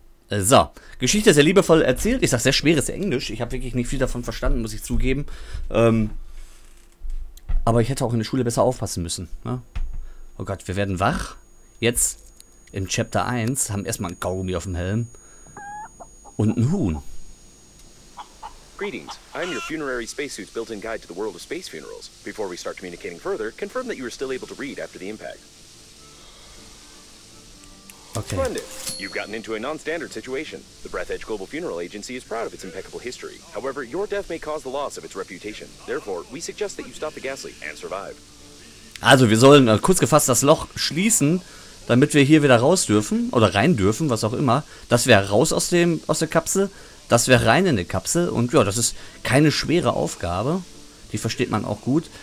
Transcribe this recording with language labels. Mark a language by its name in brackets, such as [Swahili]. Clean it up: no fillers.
[German] So, Geschichte sehr liebevoll erzählt. Ich sag sehr schweres Englisch. Ich habe wirklich nicht viel davon verstanden, muss ich zugeben. Aber ich hätte auch in der Schule besser aufpassen müssen. Ne? Oh Gott, wir werden wach. Jetzt im Chapter 1. Haben erstmal ein Kaugummi auf dem Helm. Und ein Huhn. [English] Greetings. I'm your funerary spacesuit built-in guide to the world of space funerals. Before we start communicating further, confirm that you are still able to read after the impact. Okay. Splendid. You've gotten into a non-standard situation. The Breath Edge Global Funeral Agency is proud of its impeccable history. However, your death may cause the loss of its reputation. Therefore, we suggest that you stop the gas leak and survive. [German] Also, wir sollen kurz gefasst das Loch schließen, damit wir hier wieder raus dürfen oder rein dürfen, was auch immer. Das wäre raus aus der Kapsel, das wäre rein in die Kapsel und ja, das ist keine schwere Aufgabe. Die versteht man auch gut.